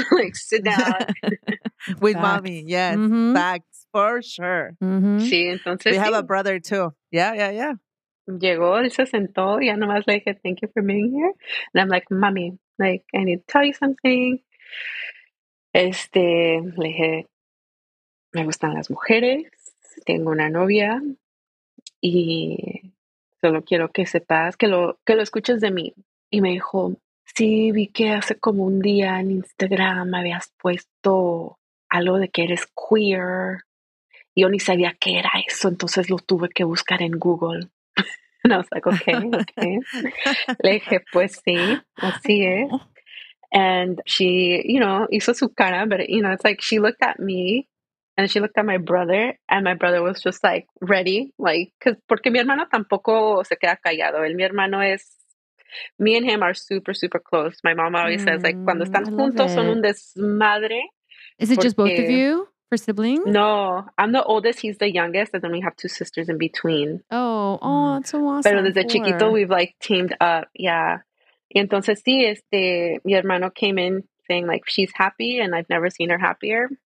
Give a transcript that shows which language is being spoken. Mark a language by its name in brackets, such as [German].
[English] Like sit down. With facts. Mommy. Yes. Mm-hmm. Facts. For sure. [Spanish] Mm-hmm. Sí, entonces, [English] we have a brother too. Yeah. [Spanish] Llegó, se sentó. Ya nomás le dije, [English] thank you for being here. And I'm like, mommy, like, I need to tell you something. [Spanish] Este, le dije, me gustan las mujeres, tengo una novia y solo quiero que sepas, que lo escuches de mí. Y me dijo, sí, vi que hace como un día en Instagram me habías puesto algo de que eres queer. Y yo ni sabía qué era eso, entonces lo tuve que buscar en Google. No, o sea, okay. Le dije, pues sí, así es. [English] And she, you know, [Spanish] hizo su cara, [English] but you know, it's like she looked at me and she looked at my brother and my brother was just like ready, like, cause [Spanish] porque mi hermano tampoco se queda callado. El mi hermano es, [English] me and him are super, super close. My mom always says like, [Spanish] cuando están juntos son un desmadre. [English] Is it just both of you for siblings? No, I'm the oldest. He's the youngest. And then we have two sisters in between. Oh, that's so awesome. [Spanish] Pero desde chiquito [English] we've like teamed up. Yeah. [Spanish] Y entonces, sí, este, mi hermano [English] came in saying, like, she's happy and I've never seen her happier.